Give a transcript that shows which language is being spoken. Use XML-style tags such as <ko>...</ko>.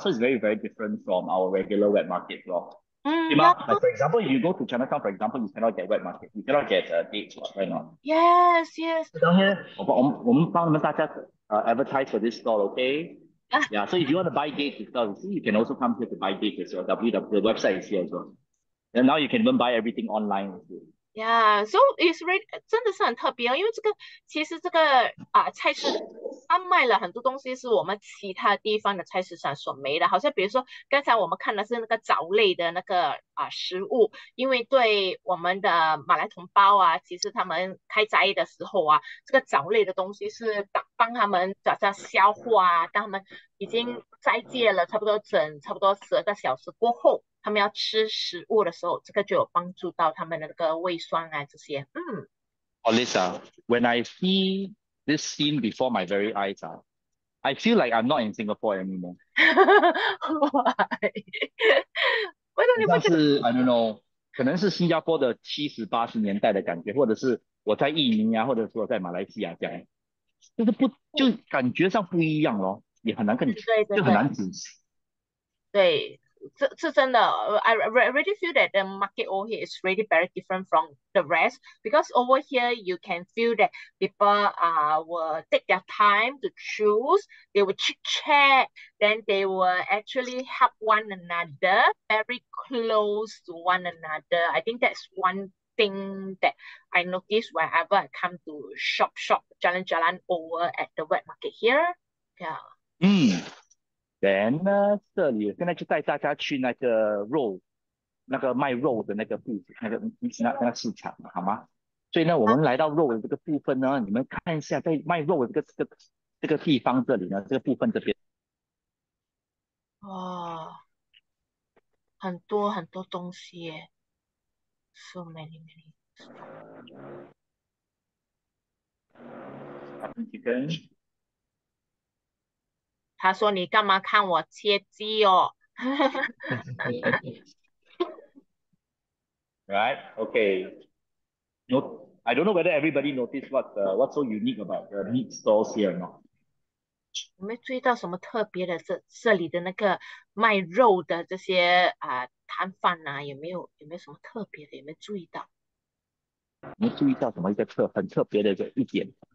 <en>So it's very very different from our regular wet market. Well, like for example, you go to Chinatown, for example, you cannot get wet market, you cannot get dates, right now. Yes. Down here,</en> <zh>我们帮你们大家</zh> <en>advertise for this store, okay? Yeah. So if you want to buy dates as well, you can also come here to buy dates as well. The website is here as well. And now you can even buy everything online as well. Yeah, so it's really</en> <zh>真的是很特别哦，因为这个其实这个菜市场它卖了很多东西是我们其他地方的菜市场所没的，好像比如说刚才我们看的是那个藻类的那个食物，因为对我们的马来同胞啊，其实他们开斋的时候啊，这个藻类的东西是帮他们早上消化啊，当他们已经斋戒了差不多12个小时过后。他们要吃食物的时候，这个就有帮助到他们的那个胃酸啊，这些。</zh> <en>Oh, Lisa, when I see this scene before my very eyes, I feel like I'm not in Singapore anymore. Why</en> <zh>像是</zh> <en>I don't know，</en> <zh>可能是新加坡的70、80年代的感觉，或者是我在印尼啊，或者说在马来西亚这样，就是不就感觉上不一样咯，也很难跟你就很难解释。对。这真的，</zh> <en>I really feel that the market over here is really very different from the rest because over here you can feel that people will take their time to choose, they will chit chat, then they will actually help one another, very close to one another. I think that's one thing that I notice whenever I come to shop Jalan Jalan over at the wet market here. Yeah.</en> <zh>Then 呢，这里现在就带大家去那个肉，那个卖肉的那个部，那个市场，好吗？所以呢，我们来到肉的这个部分呢，你们看一下，在卖肉的这个地方这里呢，这个部分这边。哇，很多很多东西耶，</zh> <en>so many many stuff。</en> <zh>他说：“你干嘛看我切鸡哦？”</zh> <en>Right, okay. No, I don't know whether everybody noticed what's so unique about the meat stalls here or not.</en> <zh>我没注意到什么特别的这里的那个卖肉的这些摊贩呐、啊，有没有什么特别的？有没有注意到？你注意到什么一个很特别的一点？</zh>